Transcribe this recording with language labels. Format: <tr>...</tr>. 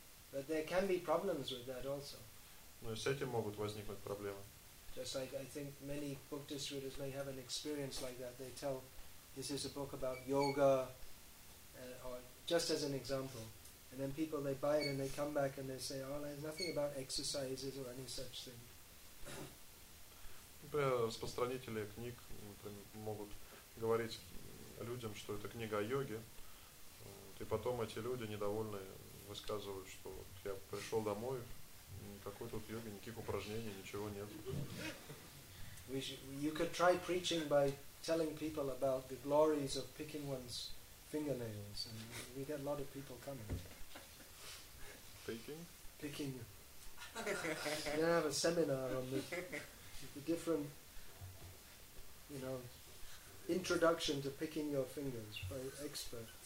<en>But there can be problems with that also.</en> <ru>Но и с этим могут возникнуть проблемы.</ru> <en>Just like I think many book distributors may have an experience like that. They tell, this is a book about yoga, or just as an example. And then people, they buy it and they come back and they say, oh, there's nothing about exercises or any such thing.</en> <ru>Распространители книг, например, могут говорить людям, что это книга о йоге, и потом эти люди недовольны, высказывают, что я пришел домой, никакой тут йоги, никаких упражнений, ничего нет.</ru> <en>You could try preaching by telling people about the glories of picking one's fingernails, and we get a lot of people coming. Picking. You have a seminar on the different, you know, introduction to picking your fingers by expert.</en>